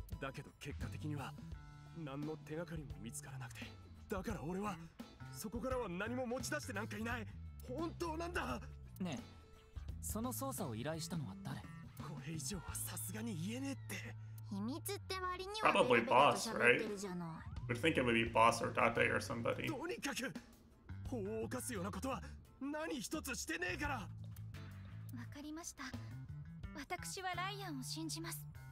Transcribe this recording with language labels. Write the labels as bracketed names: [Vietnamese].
[Japanese] だけど結果的には何の手がかりも見つからなくて、だから俺はそこからは何も持ち出してなんかいない。本当なんだ。ねえ、その捜査を依頼したのは誰。これ以上はさすがに言えねえって。秘密って割にはベルベルベルベルじゃない。 [English] We think it would be boss or Date or somebody。 [Japanese] とにかく法を犯すようなことは何一つしてねえから。わかりました、私はライアンを信じます。